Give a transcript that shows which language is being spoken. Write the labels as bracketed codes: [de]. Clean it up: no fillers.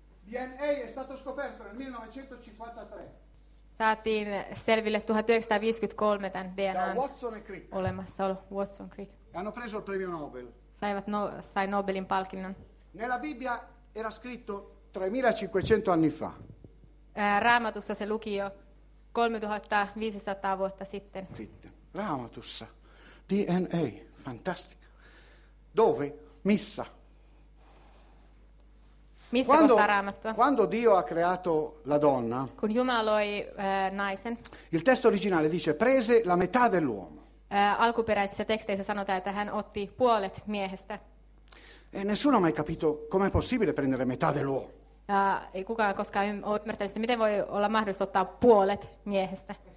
[it] DNA è stato scoperto nel 1953. [fi] Saatiin selville 1953 tämän DNAn [en] Watson and Crick. [fi] Olemassaolo, Watson Crick. [it] Hanno preso il premio Nobel. [fi] Sai Nobelin palkinnon. [it] Nella Bibbia era scritto 3500 anni fa. [fi] Raamatussa se luki jo 3500 vuotta sitten. Raamatussa. DNA, [it] fantastico. Dove? [fi] Missä? Missä quando, kohtaa Raamattua? [it] Quando Dio ha creato la donna, [fi] kun Jumala loi naisen. [it] Il testo originale dice prese la metà dell'uomo. [fi] Alkuperäisissä teksteissä sanotaan, että hän otti puolet miehestä. [it] E nessuno ha mai capito com'è possibile prendere metà dell'uomo. [fi] Ei kukaan koskaan ymmärtänyt sitä, miten voi olla mahdollista ottaa puolet miehestä.